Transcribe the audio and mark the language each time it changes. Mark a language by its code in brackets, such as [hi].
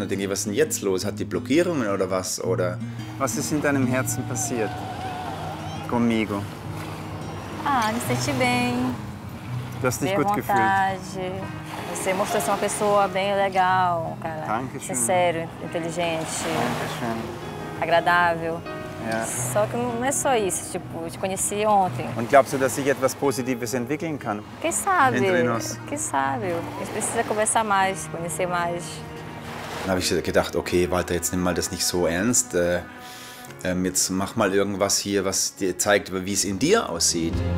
[de] Und denke, was ist denn jetzt los? Hat die Blockierungen oder was? Oder was ist in deinem Herzen passiert? [pt] Comigo. Ah, me senti bem. [de] Du hast dich gut gefühlt. [pt] Você mostrou ser uma pessoa bem legal, cara. [de] Dankeschön. [pt] Sincero, inteligente. [de] Dankeschön. [pt] Agradável. [de] Ja. [pt] Só que não é só isso, tipo, te conheci ontem. [de] Und glaubst du, dass sich etwas Positives entwickeln kann? [pt] Quem sabe? Quem sabe? [de] Ich [pt] precisa conversar mais, conhecer mais. [de] Dann habe ich gedacht, okay, Walter, jetzt nimm mal das nicht so ernst. Jetzt mach mal irgendwas hier, was dir zeigt, wie es in dir aussieht.